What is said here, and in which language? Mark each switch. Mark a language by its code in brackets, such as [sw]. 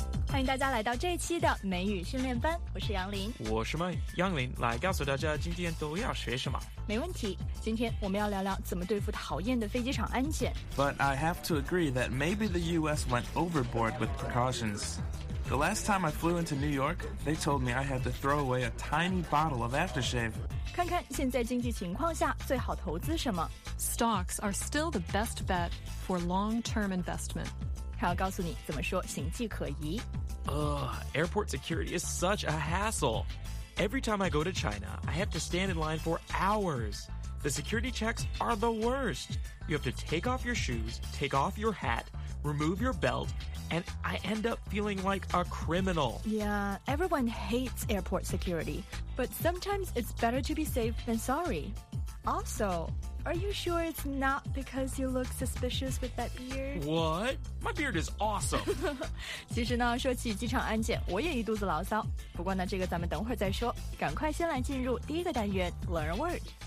[zh] 欢迎大家来到这一期的美语训练班，我是杨林。我是麦杨林，来告诉大家今天都要学什么。没问题，今天我们要聊聊怎么对付讨厌的飞机场安检。 [en] But I have to agree that maybe the US went overboard with precautions. The last time I flew into New York, they told me I had to throw away a tiny bottle of aftershave. [zh] 看看现在经济情况下最好投资什么。 [en] Stocks are still the best bet for long-term investment. [zh] 还要告诉你怎么说行迹可疑。 [en] Airport security is such a hassle. Every time I go to China, I have to stand in line for hours. The security checks are the worst. You have to take off your shoes, take off your hat, remove your belt, and I end up feeling like a criminal. Yeah, everyone hates airport security, but sometimes it's better to be safe than sorry. Also... Are you sure it's not because you look suspicious with that beard? What? My beard is awesome! [zh] 其实呢，说起机场安检，我也一肚子牢骚。不过呢，这个咱们等会儿再说。赶快先来进入第一个单元 , [en] Learn a Word.